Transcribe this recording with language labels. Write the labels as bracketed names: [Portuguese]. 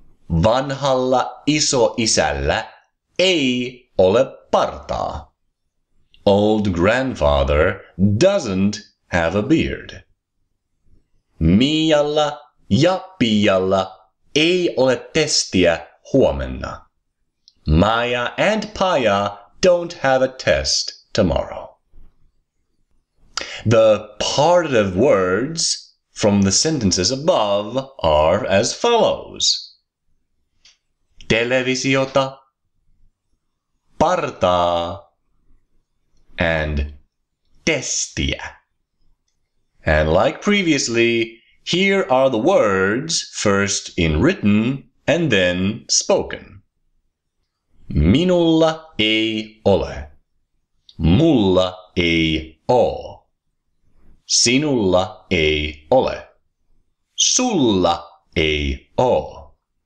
[Finnish] Vanhalla isoisällä ei ole partaa. [English] Old grandfather doesn't have a beard. [Finnish] Mialla ja Pialla ei ole testiä huomenna. [English] Maya and Paya don't have a test tomorrow. The partitive words from the sentences above are as follows. [Finnish] Televisiota, partaa, and testiä. [English] And like previously, here are the words first in written and then spoken. [Finnish] Minulla ei ole. Mulla ei oo. Sinulla ei ole. Sulla ei oo.